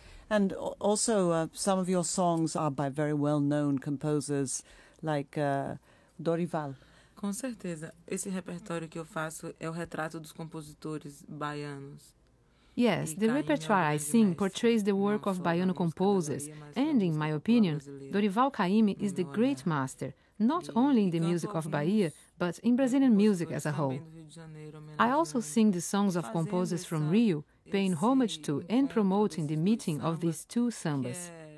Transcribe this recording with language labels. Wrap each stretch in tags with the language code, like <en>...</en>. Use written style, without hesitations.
<en>And also, some of your songs are by very well-known composers like Dorival.</en> <pt>Com certeza. Esse repertório que eu faço é o retrato dos compositores baianos.</pt> <en>Yes, the repertoire I sing portrays the work of Baiano composers. And in my opinion, Dorival Caymmi is the great master, not only in the music of Bahia, but in Brazilian music as a whole. I also sing the songs of composers from Rio, paying homage to and promoting the meeting of these two sambas.</en>